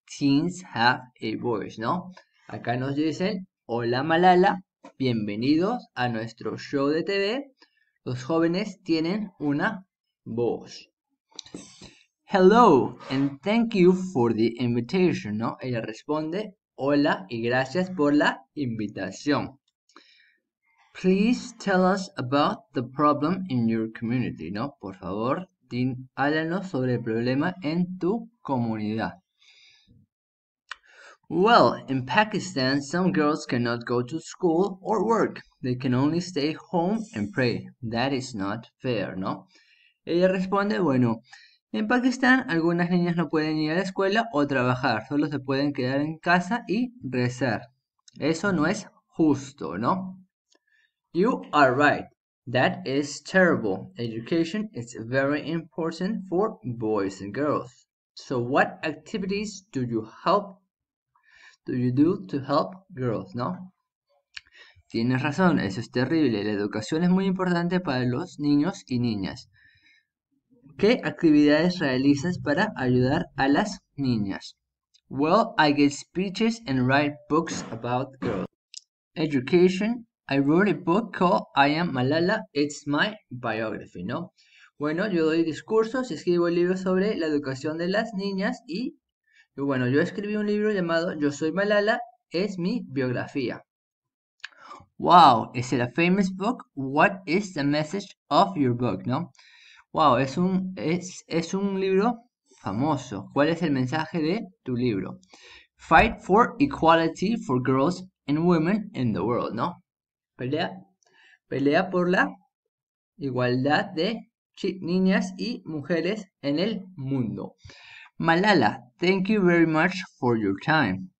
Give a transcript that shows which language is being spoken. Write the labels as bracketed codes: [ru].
[en] Teens have a voice, [es] ¿no? Acá nos dicen, hola Malala, bienvenidos a nuestro show de TV. Los jóvenes tienen una voz. [en] Hello and thank you for the invitation, ¿no? [es] Ella responde, hola y gracias por la invitación. [en] Please tell us about the problem in your community, ¿no? [es] Por favor, háblanos sobre el problema en tu comunidad. [en] Well, in Pakistan, some girls cannot go to school or work. They can only stay home and pray. That is not fair, ¿no? [es] Ella responde, bueno, en Pakistán algunas niñas no pueden ir a la escuela o trabajar, solo se pueden quedar en casa y rezar. Eso no es justo, ¿no? [en] You are right. That is terrible. Education is very important for boys and girls. So what activities do you do to help girls, ¿no? [es] Tienes razón, eso es terrible. La educación es muy importante para los niños y niñas. ¿Qué actividades realizas para ayudar a las niñas? [en] Well, I give speeches and write books about girls. Education. I wrote a book called I Am Malala, It's My Biography, ¿no? [es] Bueno, yo doy discursos y escribo el libro sobre la educación de las niñas y bueno, yo escribí un libro llamado Yo Soy Malala, Es Mi Biografía. [en] Wow, is it a famous book? What is the message of your book, ¿no? [es] Wow, es un libro famoso. ¿Cuál es el mensaje de tu libro? [en] Fight for equality for girls and women in the world, ¿no? [es] Pelea, pelea por la igualdad de niñas y mujeres en el mundo. [en] Malala, thank you very much for your time.